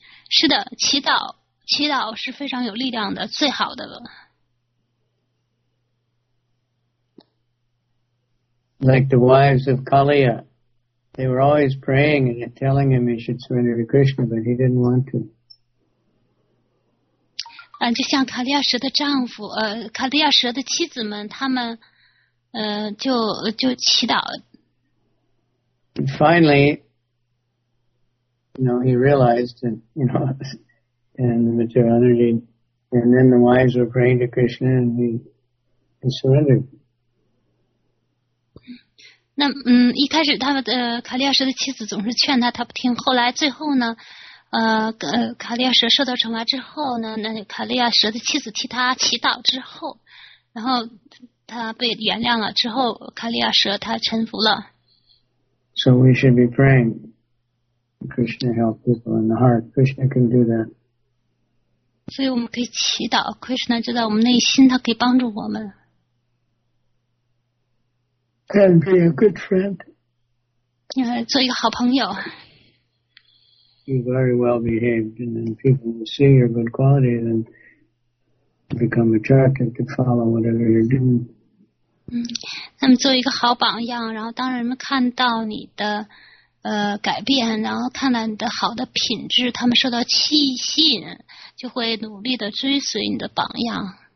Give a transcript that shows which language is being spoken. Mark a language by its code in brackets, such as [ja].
[zh] 是的，祈祷是非常有力量的，最好的了。 [en] Like the wives of Kaliya, they were always praying and telling him he should surrender to Krishna, but he didn't want to. [zh] 就像卡利亚蛇的丈夫，卡利亚蛇的妻子们，他们，就祈祷。 [en] And finally, you know, he realized, and you know, and the material energy, and then the wives were praying to Krishna, and he surrendered. [zh] 那一开始他们卡利亚舍的妻子总是劝他，他不听。后来最后呢，卡利亚舍受到惩罚之后呢，那卡利亚舍的妻子替他祈祷之后，然后他被原谅了之后，卡利亚舍他臣服了。 [en] So we should be praying. Krishna help people in the heart. Krishna can do that. [zh] 所以我们可以祈祷 ，Krishna 就在我们内心，他可以帮助我们。 [en] And be a good friend. [zh] 做一个好朋友。 [en] Be very well behaved, and then people will see your good qualities and become attracted to follow whatever you're doing. [zh] 那么做一个好榜样，然后当人们看到你的改变，然后看到你的好的品质，他们受到吸引，就会努力的追随你的榜样。